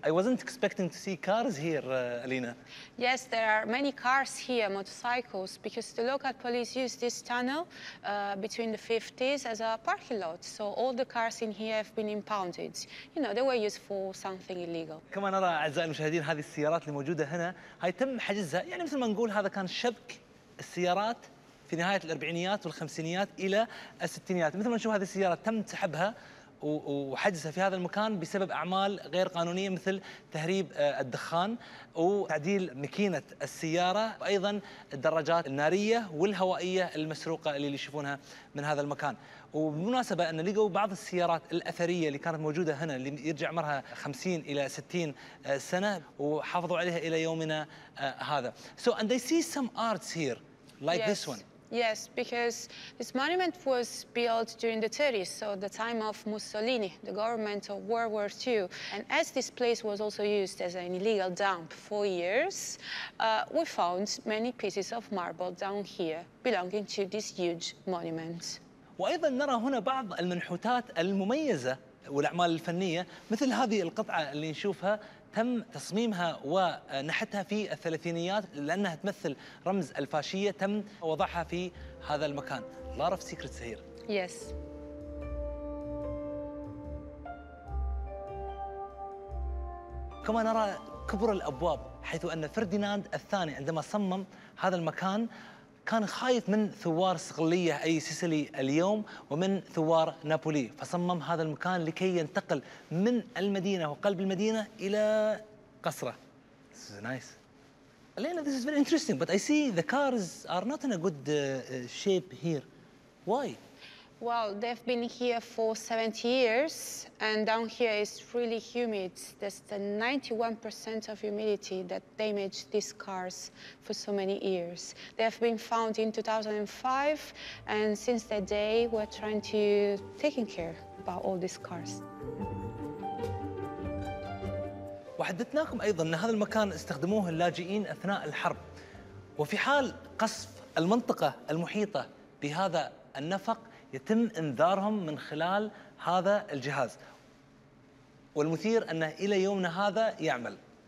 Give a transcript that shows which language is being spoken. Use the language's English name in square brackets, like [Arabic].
[English] I wasn't expecting to see cars here, Alina. Yes, there are many cars here, motorcycles, because the local police used this tunnel between the 50s as a parking lot. So all the cars in here have been impounded. You know, they were used for something illegal. [Arabic] كما نرى أعزائي المشاهدين هذه السيارات الموجودة هنا. تم حجزها، يعني مثل ما نقول هذا كان شبك السيارات في نهاية الأربعينيات والخمسينيات إلى الستينيات. مثل ما نشوف هذه السيارة تم سحبها وحجزها في هذا المكان بسبب أعمال غير قانونية مثل تهريب الدخان وتعديل مكينة السيارة وأيضا الدراجات النارية والهوائية المسروقة اللي يشوفونها من هذا المكان. وبمناسبة أن لقوا بعض السيارات الأثرية اللي كانت موجودة هنا اللي يرجع عمرها 50 إلى 60 سنة وحافظوا عليها إلى يومنا هذا. [English] So and they see some arts here like yes. this one. Yes, because this monument was built during the 30s, so the time of Mussolini, the government of World War II. And as this place was also used as an illegal dump for years, we found many pieces of marble down here belonging to this huge monument. [Arabic] وأيضا نرى هنا بعض المنحوتات المميزة والأعمال الفنية مثل هذه القطعة اللي نشوفها تم تصميمها ونحتها في الثلاثينيات لأنها تمثل رمز الفاشية، تم وضعها في هذا المكان. [English] A lot of secrets here. Yes. [Arabic] كما نرى كبر الأبواب، حيث أن فرديناند الثاني عندما صمم هذا المكان كان خايف من ثوار صقلية أي سيسلي اليوم ومن ثوار نابولي، فصمم هذا المكان لكي ينتقل من المدينة وقلب المدينة إلى قصره. [English] This is nice. Elena, this is very interesting, but I see the cars are not in a good shape here. Why? Well, they've been here for 70 years, and down here it's really humid. There's the 91% of humidity that damaged these cars for so many years. They have been found in 2005, and since that day, we're trying to take care about all these cars. [Arabic] وحدثناكم أيضا أن هذا المكان استخدموه اللاجئين أثناء الحرب، وفي حال قصف المنطقة المحيطة بهذا النفق يتم انذارهم من خلال هذا الجهاز. والمثير أنه إلى يومنا هذا يعمل.